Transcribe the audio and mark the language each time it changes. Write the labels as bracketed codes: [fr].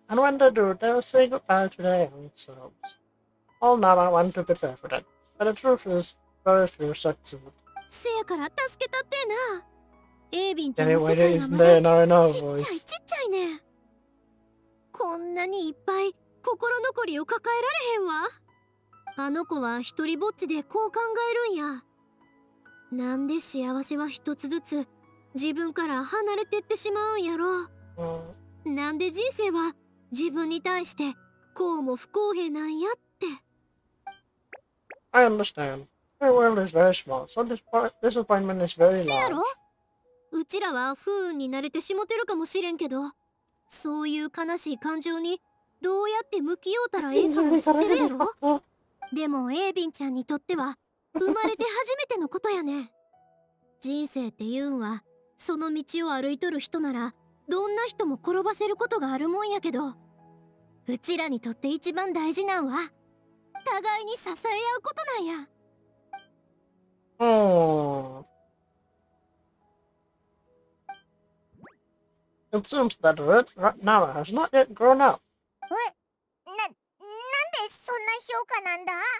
[en] And when they do, they will say goodbye to their young selves. All Nara want to be befriended, but the truth is, very few succeed. [ja] せやから助けたってな。エイビンちゃんの世界はまだちっちゃいちっちゃいね。こんなにいっぱい心残りを抱えられへんわ。あの子は一人ぼっちでこう考えるんや。なんで幸せは一つずつ自分から離れてってしまうんやろ。なんで人生は自分に対してこうも不公平なんやって。 [en] I understand. Your world is very small, so this disappointment is very large. [ja] せやろ？うちらは不運に慣れてしもてるかもしれんけど、そういう悲しい感情にどうやって向き合うたらええかも知ってるやろ？でもエイビンちゃんにとっては生まれて初めてのことやね。人生っていうんはその道を歩いとる人なら、どんな人も転ばせることがあるもんやけど、うちらにとって一番大事なんは互いに支え合うことなんや。うん。 [en] It seems that Red Nara has not yet grown up. [ja] え、なんでそんな評価なんだ？